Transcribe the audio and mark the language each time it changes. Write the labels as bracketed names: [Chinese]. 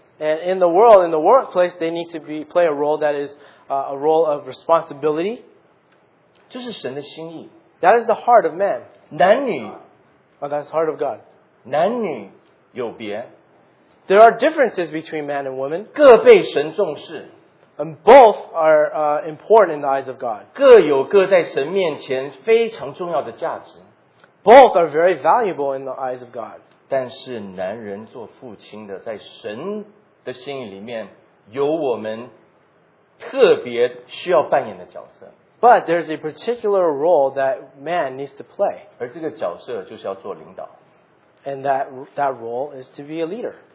[English] And in the world, in the workplace, they need to be play a role that is a role of responsibility. [Chinese] 这是神的心意。 [English] That is the heart of man. [Chinese] 男女, [English] oh, that's the heart of God. [Chinese] 男女有别。 [English] There are differences between man and woman. [Chinese] 各被神重视。 [English] And both are important in the eyes of God. [Chinese] 各有各在神面前非常重要的价值。 [English] Both are very valuable in the eyes of God. [Chinese] 但是男人做父亲的，在神的心意里面，有我们特别需要扮演的角色。 [English] But there's a particular role that man needs to play. [Chinese] 而这个角色就是要做领导。 [English] And that role is to be a leader.